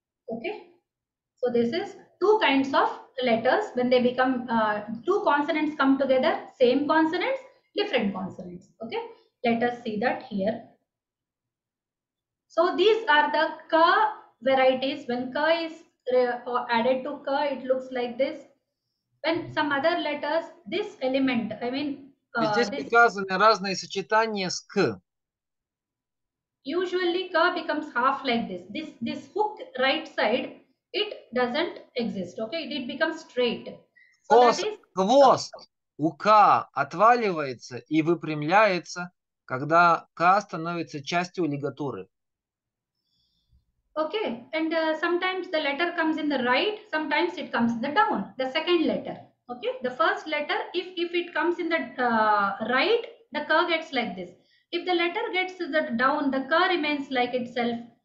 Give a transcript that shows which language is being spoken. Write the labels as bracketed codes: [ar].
[en] Okay, so this is two kinds of letters when they become two consonants come together, same consonants, different consonants. Okay, let us see that here. So these are the ka varieties. When ka is added to ka, it looks like this. When some other letters, this element, I mean, [ru] здесь показаны разные сочетания с к. [en] Usually ka becomes half like this. This hook right side, it doesn't exist. Okay, it becomes straight. [ru] Хвост у К отваливается и выпрямляется, когда К становится частью лигатуры. [en] Okay, and sometimes the letter comes in the right, sometimes it comes in the down, the second letter. Okay, the first letter, if it comes in the right, the K gets like this. If the letter gets the down, the K remains like itself.